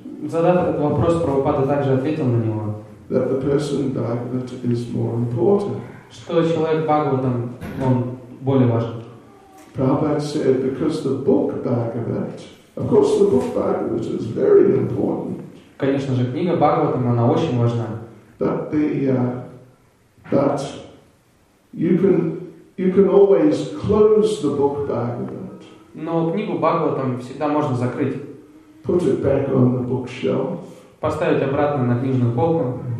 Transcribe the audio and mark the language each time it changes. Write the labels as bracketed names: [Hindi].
[Russian] задав этот вопрос, Прабхупада также ответил на него, [English] that the person Bhagavata is more important. [Russian] Что человек Бхагавата он более важен. [English] Prabhupada said, because the book Bhagavata, of course the book Bhagavata is very important. [Russian] Конечно же, книга Бхагавата, она очень важна. [English] But you can always close the book Bhagavat. [Russian] Но книгу Бхагаватам всегда можно закрыть. [English] Put it back on the bookshelf. [Russian] Поставить обратно на книжную полку.